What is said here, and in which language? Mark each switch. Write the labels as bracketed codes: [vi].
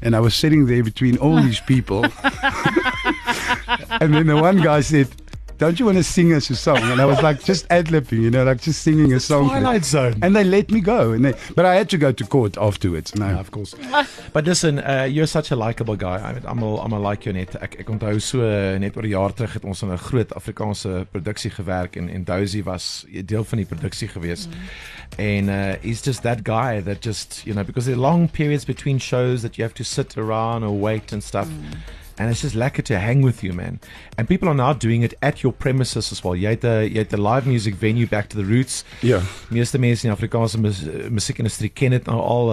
[en] And I was sitting there between all these people. And then the one guy said, don't you want to sing us a song? And I was like, just ad-libbing, you know, like just singing a song. Twilight Zone. And they let me go. But I had to go to court afterwards. No, yeah, of course. But listen, you're such a likable guy. I'm a like you net. [af] Ek onthou so net oor 'n jaar terug het ons aan 'n groot Afrikaanse produksie gewerk en Dozy was deel van die produksie gewees. [en] And he's just that guy that just, you know, because there are long periods between shows that you have to sit around or wait and stuff. Mm. And it's just lekker to hang with you, man. And people are now doing it at your premises as well. [af] Jy het [en] the live music venue Back to the Roots. Yeah. [af] Meeste mense in die Afrikaanse musiekindustrie ken dit nou al.